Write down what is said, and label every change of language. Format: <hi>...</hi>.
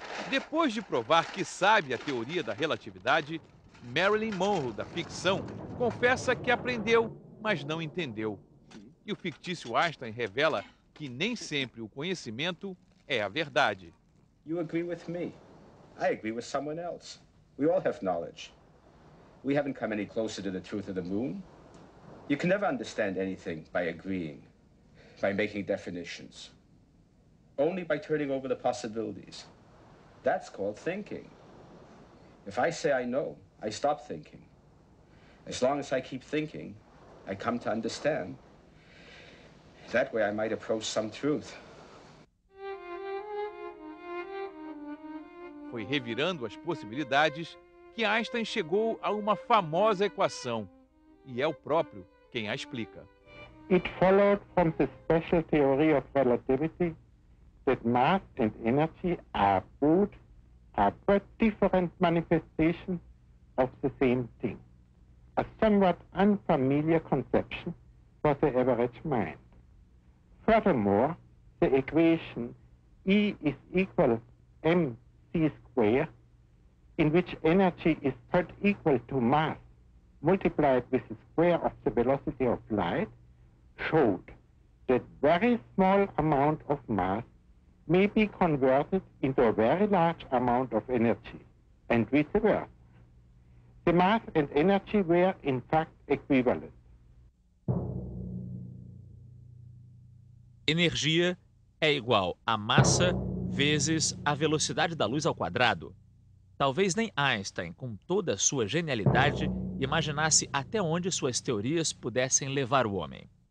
<pt>Depois de provar que sabe a teoria da relatividade, Marilyn Monroe, da ficção, confessa que aprendeu, mas não entendeu. E o fictício Einstein revela que nem sempre o conhecimento é a verdade.</pt> <en>You agree with me. I agree with someone else. We all have knowledge. We haven't come any closer to the truth of the moon. You can never understand anything by agreeing, by making definitions. Only by turning over the possibilities. That's called thinking. If I say I know, I stop thinking. As long as I keep thinking, I come to understand. That way I might approach some truth.</en> <pt>Foi revirando as possibilidades que Einstein chegou a uma famosa equação, e é o próprio quem a explica.</pt> <en>It followed from the special theory of relativity that mass and energy are both different manifestations of the same thing. A somewhat unfamiliar conception for the average mind. Furthermore, the equation E is equal mc squared, in which energy is put equal to mass multiplied with the square of the velocity of light, showed that very small amount of mass may be converted into a very large amount of energy, and vice versa. The mass and energy were, in fact, equivalent.</en> <pt>Energia é igual à massa vezes a velocidade da luz ao quadrado. Talvez nem Einstein, com toda a sua genialidade, imaginasse até onde suas teorias pudessem levar o homem.</pt>